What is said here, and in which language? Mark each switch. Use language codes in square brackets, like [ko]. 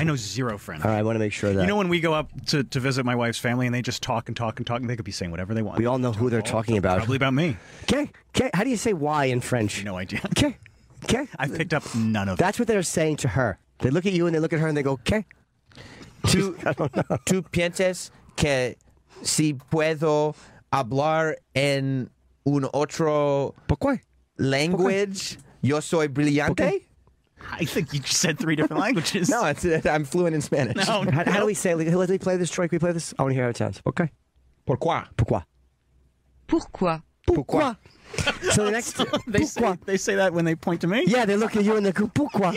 [en] I know zero French. All right, I want to make sure that. You know when we go up to visit my wife's family and they just talk and talk and talk and they could be saying whatever they want. We all know who they're talking about. Probably about me. Okay. How do you say why in French? No idea. Okay. I picked up none of That's what they're saying to her. They look at you and they look at her and they go, okay. [es] Tú piensas que si puedo hablar en un otro language, yo soy brillante? [en] I think you just said three different languages. No, I'm fluent in Spanish. No. How do we say, let me play this, Troy, can we play this? I want to hear how it sounds. Okay. [fr] Pourquoi? [en] So the next, they say that when they point to me. Yeah, they look at you and they go pourquoi.